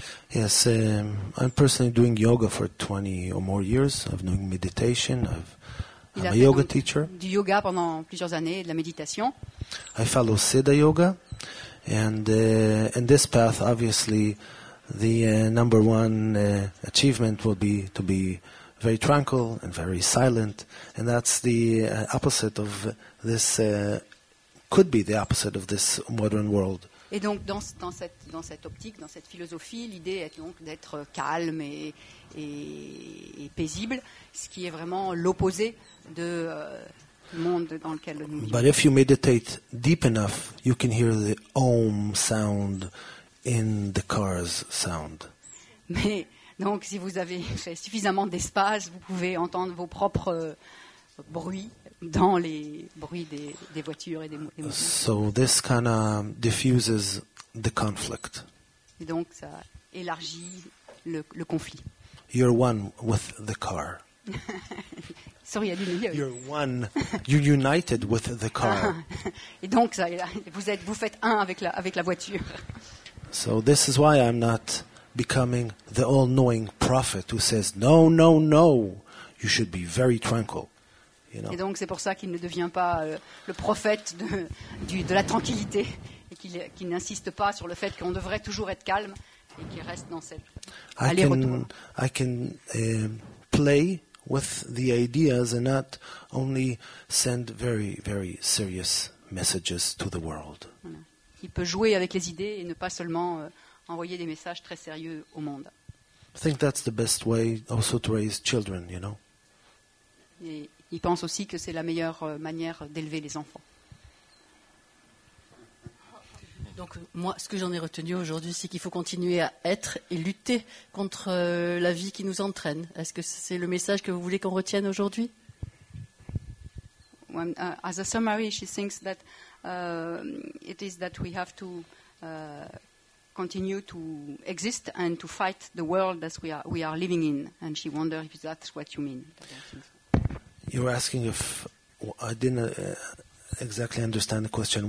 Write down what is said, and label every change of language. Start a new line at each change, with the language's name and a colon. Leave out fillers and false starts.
English: Yes, I'm personally doing yoga for 20 or more years. I've been doing meditation. I'm a yoga teacher.
French: Du yoga pendant plusieurs années, de la méditation.
English: I follow Siddha yoga, and in this path, obviously. The number one achievement will be to be very tranquil and very silent, and that's the opposite of this. Could be the opposite of this modern world.
French: Et donc dans cette optique, dans cette philosophie, l'idée est donc d'être calme et paisible, ce qui est vraiment l'opposé de monde dans lequel nous vivons.
English: But if you meditate deep enough, you can hear the Om sound. In the car's sound.
French: Mais donc, si vous avez fait suffisamment d'espace, vous pouvez entendre vos propres bruits dans les bruits des voitures et des motos.
English: So this kind of diffuses the conflict.
French: Et donc, ça élargit le conflit.
English: You're one with the car. Sorry,
French: il y a du milieu.
English: You're one. You're united with the car.
French: Et donc, ça, vous faites un avec la voiture.
English: So this is why I'm not becoming the all-knowing prophet who says no, no, no. You should be very tranquil. You know.
French: Et donc c'est pour ça qu'il ne devient pas le prophète de la tranquillité et qu'il n'insiste pas sur le fait qu'on devrait toujours être calme et qu'il reste dans cette aller-retour.
English: I can play with the ideas and not only send very, very serious messages to the world.
French: Il peut jouer avec les idées et ne pas seulement envoyer des messages très sérieux au monde.
English: I think that's the best way also to raise children, you know.
French: Et il pense aussi que c'est la meilleure manière d'élever les enfants. Donc moi, ce que j'en ai retenu aujourd'hui, c'est qu'il faut continuer à être et lutter contre la vie qui nous entraîne. Est-ce que c'est le message que vous voulez qu'on retienne aujourd'hui?
English: When, as a summary, she thinks that it is that we have to continue to exist and to fight the world that we are living in. And she wonders if that's what you mean. You were asking if I didn't exactly understand the question.